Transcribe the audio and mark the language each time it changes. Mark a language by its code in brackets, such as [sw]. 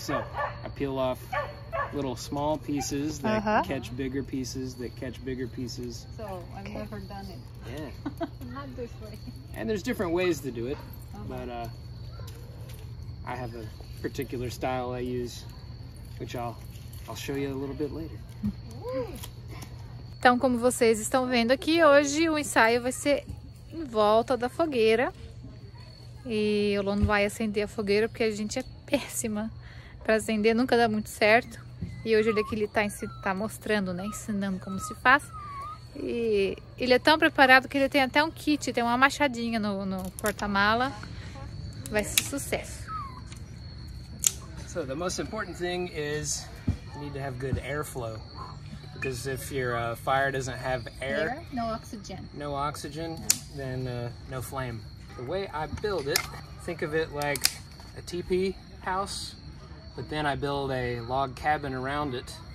[en] So I peel off little small pieces that catch bigger pieces that catch bigger pieces. So I've never done it. Yeah. Not this way. And there's different ways to do it, but I have a particular style I use, which I'll show you a little bit later. [pt] Então, como vocês estão vendo aqui, hoje o ensaio vai ser em volta da fogueira. E o Lon vai acender a fogueira porque a gente é péssima para acender, nunca dá muito certo. E hoje ele aqui tá mostrando, né, ensinando como se faz. E ele é tão preparado que ele tem até um kit, tem uma machadinha no porta-mala. Vai ser sucesso. [en] So the most important thing is you need to have good airflow, because if your fire doesn't have air, no oxygen. No oxygen, then no flame. The way I build it, think of it like a teepee house, but then I build a log cabin around it.